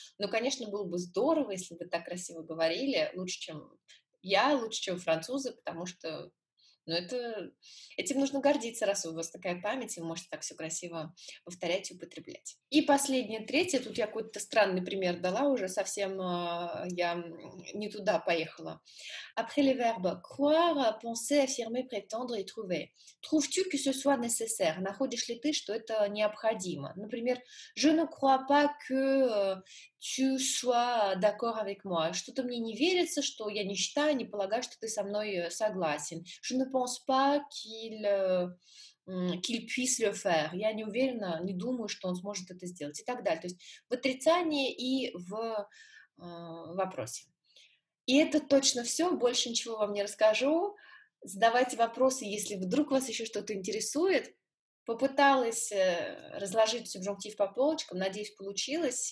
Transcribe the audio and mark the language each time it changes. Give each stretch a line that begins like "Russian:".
Russian: Но, конечно, было бы здорово, если бы так красиво говорили, лучше, чем я, лучше, чем французы, потому что... Но это, этим нужно гордиться, раз у вас такая память, и вы можете так все красиво повторять и употреблять. И последнее, третье, тут я какой-то странный пример дала уже, совсем я не туда поехала.
French: Après les verbes croire, penser, affirmer, prétendre et trouver. Trouves-tu que ce soit nécessaire?
Russian: Находишь ли ты, что это необходимо? Например,
French: je ne crois pas que tu sois d'accord avec moi.
Russian: Что-то мне не верится, что я не считаю, не полагаю, что ты со мной согласен.
French: Je ne pense pas qu'il puisse le faire.
Russian: Я не уверена, не думаю, что он сможет это сделать. И так далее. То есть в отрицании и в вопросе. И это точно все. Больше ничего вам не расскажу. Задавайте вопросы, если вдруг вас еще что-то интересует. Попыталась разложить субжунктив по полочкам. Надеюсь, получилось.